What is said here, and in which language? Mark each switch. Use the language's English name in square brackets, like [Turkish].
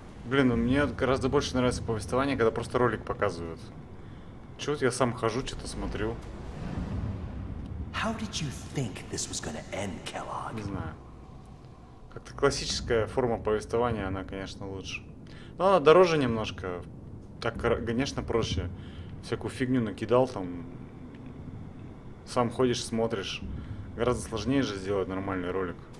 [Russian] Блин, ну мне гораздо больше нравится повествование, когда просто ролик показывают. Чего-то я сам хожу, что-то смотрю. [English] How did you think this was gonna end, Kellogg? [Russian] Не знаю. Как-то классическая форма повествования, она, конечно, лучше. Но она дороже немножко. Так, конечно, проще. Всякую фигню накидал там. Сам ходишь, смотришь. Гораздо сложнее же сделать нормальный ролик.